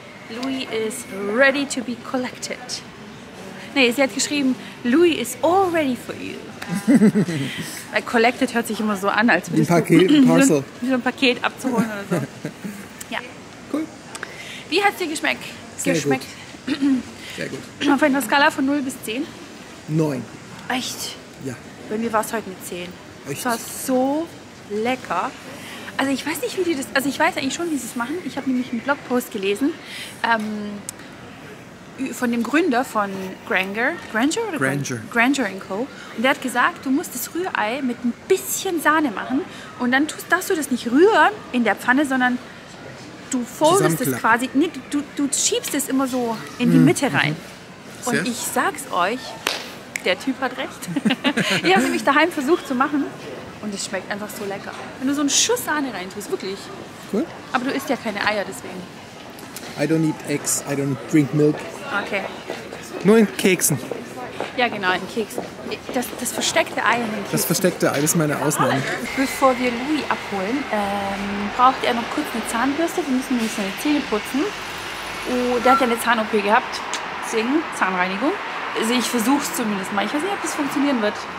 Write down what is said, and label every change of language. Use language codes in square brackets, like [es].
[en] Louis is ready to be collected. [de] Nee, sie hat geschrieben, [en] Louis is all ready for you. [de] Weil collected hört sich immer so an, als ein Paket, ein Parcel. Wie so ein Paket abzuholen oder so. Ja. Cool. Wie hat es dir geschmeckt? Sehr gut. Auf einer Skala von 0 bis 10? 9. Echt? Ja. Bei mir war es heute eine 10. Echt? Es war so lecker. Also ich weiß nicht, wie die das, also ich weiß eigentlich schon, wie sie es machen. Ich habe nämlich einen Blogpost gelesen von dem Gründer von Granger & Co. Und der hat gesagt, du musst das Rührei mit ein bisschen Sahne machen und dann darfst du das nicht rühren in der Pfanne, sondern du foldest es quasi, nee, du schiebst es immer so in die Mitte rein. Mhm. Und ich sag's euch, der Typ hat recht. Ich habe nämlich daheim versucht zu machen. Und es schmeckt einfach so lecker. Wenn du so einen Schuss Sahne reintust, wirklich. Cool. Aber du isst ja keine Eier, deswegen. [en] I don't eat eggs, I don't drink milk. Okay. [de] Nur in Keksen. Ja, genau, in Keksen. Das versteckte Ei in den Keksen. Das versteckte Ei, das ist meine Ausnahme. Bevor wir Louis abholen, braucht er noch kurz eine Zahnbürste. Wir müssen nämlich seine Zähne putzen. Oh, der hat ja eine Zahn-OP gehabt. Deswegen Zahnreinigung. Also ich versuch's zumindest mal. Ich weiß nicht, ob das funktionieren wird.